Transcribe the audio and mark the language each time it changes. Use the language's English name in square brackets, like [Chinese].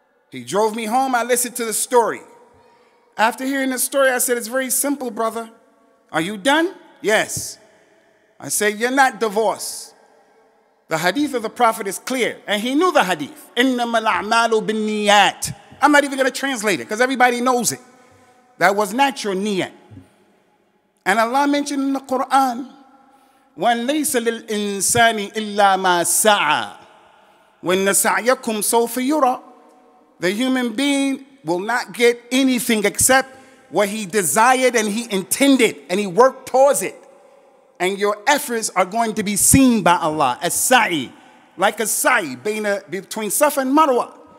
[English] He drove me home, I listened to the story. After hearing the story, I said, it's very simple, brother. Are you done? Yes. I said, you're not divorced. The hadith of the Prophet is clear, and he knew the hadith. [Arabic] إِنَّمَا الْأَعْمَالُ بِالنِّيَّاتِ. [English] I'm not even going to translate it, because everybody knows it. That was not your niyat. And Allah mentioned in the Quran, "When [Arabic] لَيْسَ لِلْإِنسَانِ إِلَّا مَا سَعَى وَإِنَّ سَعْيَكُمْ سَوْفَ يُرَى." [English] The human being will not get anything except what he desired and he intended and he worked towards it. And your efforts are going to be seen by Allah as sa'i, like a sa'i between Safa and Marwa.